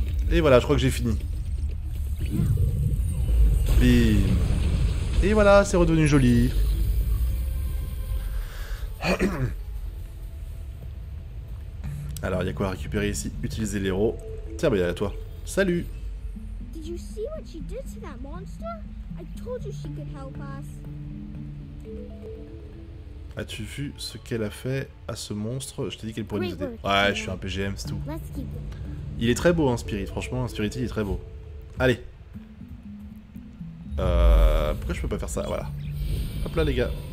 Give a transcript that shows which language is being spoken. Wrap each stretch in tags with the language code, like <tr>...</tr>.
<fr>Et voilà, je crois que j'ai fini. Bim. Et voilà, c'est redevenu joli. Alors, il y a quoi à récupérer ici? Utiliser l'héros. Tiens, bah y'a à toi. Salut.</fr> <en>Did you see what she did to that monster? I told you she could help us.</en> <fr>As-tu vu ce qu'elle a fait à ce monstre? Je t'ai dit qu'elle pourrait nous aider. Ouais, je suis un PGM, c'est tout. Il est très beau, hein, Spirit. Franchement, Spirit, il est très beau. Allez. Pourquoi je peux pas faire ça? Voilà. Hop là, les gars.</fr>